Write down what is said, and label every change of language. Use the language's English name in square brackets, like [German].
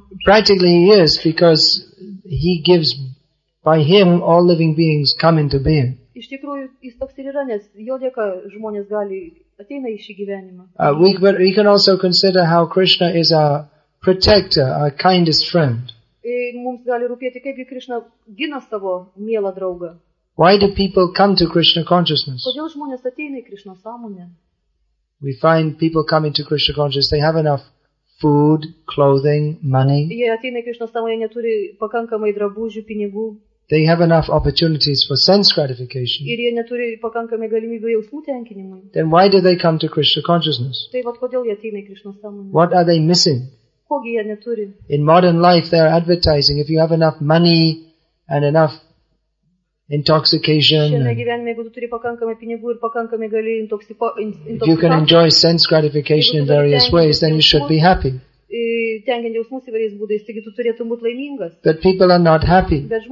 [English] Practically, he is, because he gives, by him, all living beings come into being. [Lithuanian] Iš tikrųjų, jis toks ir yra, nes jo dėka žmonės gali ateina į šį gyvenimą. [English] We can also consider how Krishna is our protector, our kindest friend. [Lithuanian] Mums gali rūpėti, kaip Krishna gina savo mielą draugą. [English] Why do people come to Krishna consciousness? [Lithuanian] Kodėl žmonės ateina į Krishna sąmonę? [English] We find people come into Krishna consciousness, they have enough food, clothing, money. [Lithuanian] Jie ateina į Krishna sąmonę, neturi pakankamai drabužių, pinigų. [English] They have enough opportunities for sense gratification. [Lithuanian] Ir jie neturi pakankamai galimybių jausmų tenkinimui. [English] Then why do they come to Krishna consciousness? [Lithuanian] Tai vat kodėl jie ateina į Krishna sąmonę? [English] What are they missing? [Lithuanian] Kogi jie neturi? [English] In modern life they are advertising, if you have enough money and enough intoxication. [Lithuanian] Šiame gyvenime, jeigu tu turi pakankamai pinigų ir pakankamai gali intoksikuoti. [English] If you can enjoy sense gratification in various ways, then you should be happy. But people are not happy.